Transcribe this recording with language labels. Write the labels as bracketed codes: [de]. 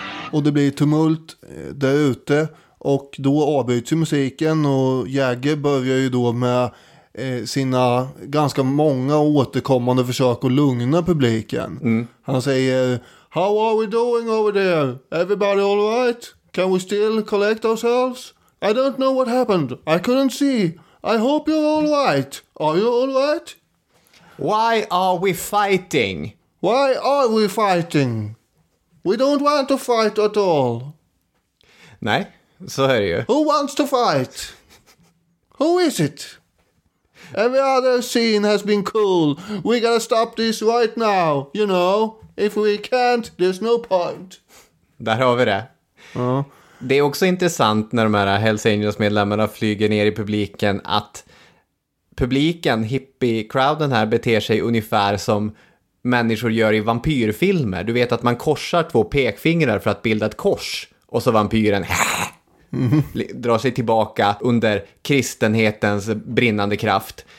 [sv] Och det blir tumult där ute. Och då avbryts ju musiken och Jagger börjar ju då med sina ganska många återkommande försök att lugna publiken. Mm. Han säger: [en] "How are we doing over there? Everybody all right? Can we still collect ourselves? I don't know what happened. I couldn't see. I hope you're all right. Are you all right? Why are we fighting? Why are we fighting? We don't want to fight at all." [sv] Nej, så är det ju. [en] Who wants to fight? Who is it? Every other scene has been cool. We gotta stop this right now, you know. If we can't, there's no point. [sv] Där har vi det. Det är också intressant när de här Hells Angels-medlemmarna flyger ner i publiken att publiken, hippie-crowden här, beter sig ungefär som människor gör i vampyrfilmer. Du vet att man korsar två pekfingrar för att bilda ett kors och så vampyren drar sig tillbaka under kristenhetens brinnande kraft.